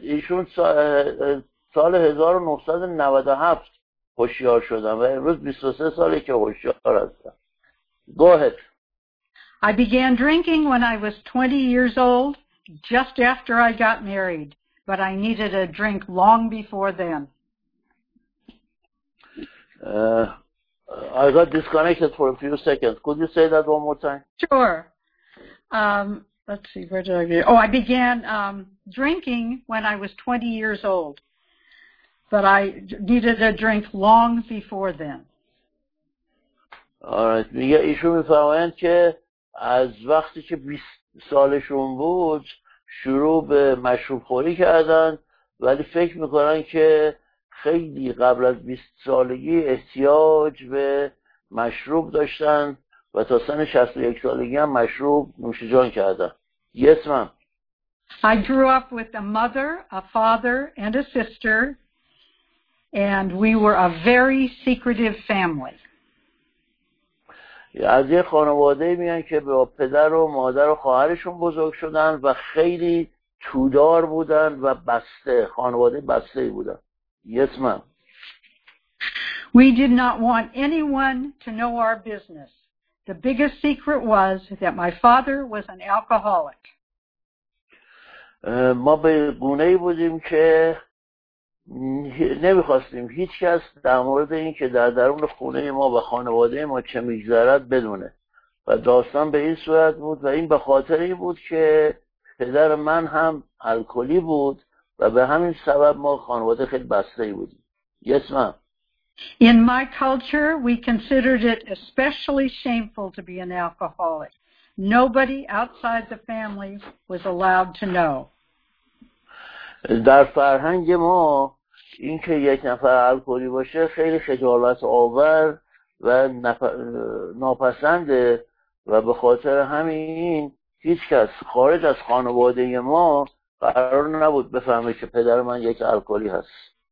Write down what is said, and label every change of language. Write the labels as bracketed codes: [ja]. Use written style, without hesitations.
[fa] ایشون سال 1997 هوشیار شدم و امروز 23 ساله که هوشیار هستم. [en] Go ahead. I began drinking when I was 20 years old, just after I got married, but I needed a drink long before then. I got disconnected for a few seconds. Could you say that one more time? Sure. Let's see, where did I go? Oh, I began drinking when I was 20 years old. But I needed a drink long before then. All right. [fa] میگه ایشون میفهمند که از وقتی که 20 سالشون بود شروع به مشروب خوری کردن، ولی فکر میکنن که خیلی قبل از 20 سالگی احتیاج به مشروب داشتن و تا سن 61 سالگی هم مشروب نوشجان کردن. [en] Yes, ma'am. I grew up with a mother, a father, and a sister. And we were a very secretive family. [fa] از یه خانواده میان که با پدر و مادر و خواهرشون بزرگ شدن و خیلی تودار بودن و بسته، خانواده بسته بودن. [en] Yes, ma'am. We did not want anyone to know our business. The biggest secret was that my father was an alcoholic. [fa] ما به گونه بودیم که نمیخواستیم هیچ کس در مورد این که در درون خونه ما و خانواده ما چه میگذرد بدونه و داستان به این صورت بود و این به خاطر این بود که پدر من هم الکلی بود و به همین سبب ما خانواده خیلی بسته‌ای بودیم. [en] Yes, ma'am. In my culture, we considered it especially shameful to be an alcoholic. Nobody outside the family was allowed to know. [fa] در فرهنگ ما اینکه یک نفر الکلی باشه خیلی خجالت آور و ناپسنده و به خاطر همین هیچ کس خارج از خانواده ما قرار نبود بفهمه که پدر من یک الکلی هست.